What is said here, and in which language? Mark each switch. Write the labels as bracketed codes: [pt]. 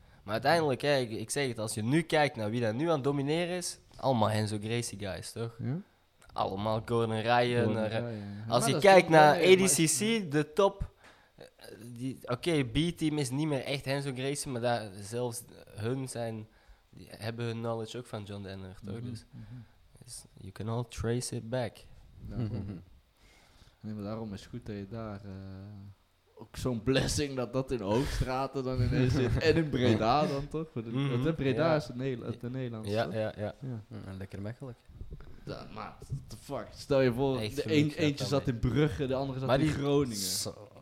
[nl] Maar uiteindelijk, hè, ik zeg het, als je nu kijkt naar wie daar nu aan het domineren is, allemaal Renzo Gracie guys, toch? Ja? Allemaal Gordon Ryan. Als je kijkt naar ADCC, de top... Oké, B-team is niet meer echt Renzo Gracie, maar daar zelfs hun zijn... Die hebben hun knowledge ook van John Denner, toch? Mm-hmm. [en] Dus you can all trace it back. [nl] Nee, maar daarom is het goed dat je daar... ook zo'n blessing dat in Hoogstraten dan ineens zit. En in Breda dan, toch? Breda is het Nederlands. Ja. En lekker mechelijk. Ja, maar, what the fuck? Stel je voor, eentje zat in Brugge, de andere zat in Groningen.